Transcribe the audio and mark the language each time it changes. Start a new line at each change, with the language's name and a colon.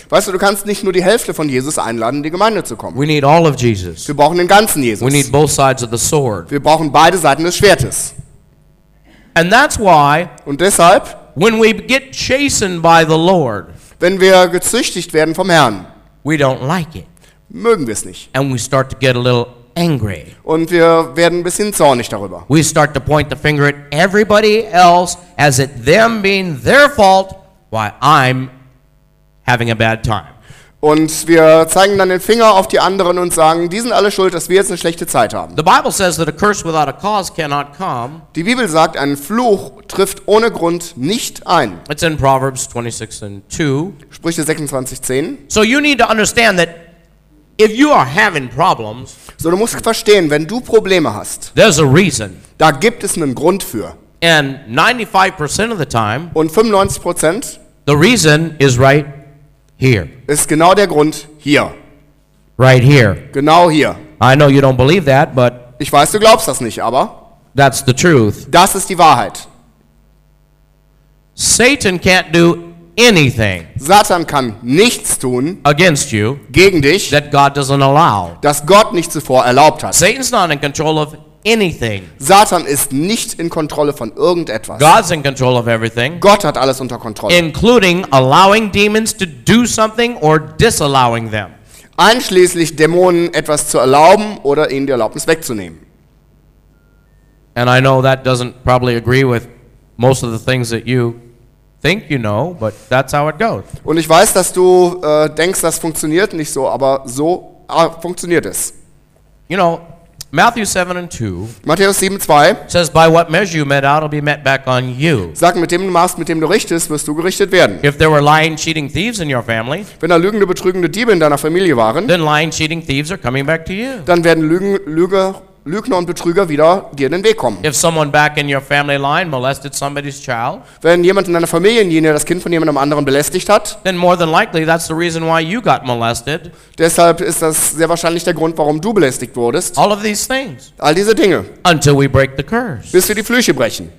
German: Weißt du, du kannst nicht nur die Hälfte von Jesus einladen, in die Gemeinde zu kommen.
English: We need all of Jesus.
German: Wir brauchen den ganzen Jesus.
English: We need both sides of the sword.
German: Wir brauchen beide Seiten des Schwertes.
English: And that's why.
German: Und deshalb.
English: When we get chastened by the Lord.
German: Wenn wir gezüchtigt werden vom Herrn,
English: we don't like it.
German: Mögen wir es nicht.
English: And we start to get a little angry.
German: Und wir werden ein bisschen zornig darüber.
English: We start to point the finger at everybody else as it them being their fault why I'm having a bad time.
German: Und wir zeigen dann den Finger auf die anderen und sagen, die sind alle schuld, dass wir jetzt eine schlechte Zeit haben.
English: The Bible says that a curse without a cause cannot come.
German: Die Bibel sagt, ein Fluch trifft ohne Grund nicht ein.
English: It's in Proverbs 26 and 2.
German: Sprüche 26, 10.
English: So you need to understand that if you are having problems,
German: so du musst verstehen, wenn du Probleme hast,
English: there's a reason.
German: Da gibt es einen Grund für.
English: And 95% of the time,
German: und 95%,
English: the reason is right here.
German: Ist genau der Grund hier.
English: Right here.
German: Genau hier.
English: I know you don't believe that, but
German: ich weiß, du glaubst das nicht, aber
English: that's the truth.
German: Das ist die Wahrheit.
English: Satan can't do anything.
German: Satan kann nichts tun
English: against you.
German: Gegen dich.
English: That God doesn't allow.
German: Das Gott nicht zuvor erlaubt hat.
English: Satan's not in control of anything.
German: Satan ist nicht in Kontrolle von irgendetwas.
English: God's in control of everything.
German: Gott hat alles unter Kontrolle.
English: Including allowing demons to do something or disallowing them.
German: Einschließlich Dämonen etwas zu erlauben oder ihnen die Erlaubnis wegzunehmen.
English: And I know that doesn't probably agree with most of the things that you think you know, but that's how it goes.
German: Und ich weiß, dass du denkst, das funktioniert nicht so, aber so funktioniert es.
English: You know, Matthew 7 and 2.
German: Matthäus 7, 2
English: says, by what measure you met out, it'll be met back on you.
German: Sag, mit dem Maß, mit dem du richtest, wirst du gerichtet werden.
English: If there were lying, cheating thieves in your family,
German: wenn da lügende, betrügende Diebe in deiner Familie waren,
English: then lying, cheating thieves are coming back to you.
German: Dann werden Lügner und Betrüger wieder dir in den Weg kommen.
English: If someone back in your family line molested somebody's child,
German: wenn jemand in deiner Familienlinie das Kind von jemandem anderen belästigt hat,
English: then more than likely that's the reason why you got molested.
German: Deshalb ist das sehr wahrscheinlich der Grund, warum du belästigt wurdest.
English: All of these things.
German: All diese Dinge.
English: Until we break the curse.
German: Bis wir die Flüche brechen.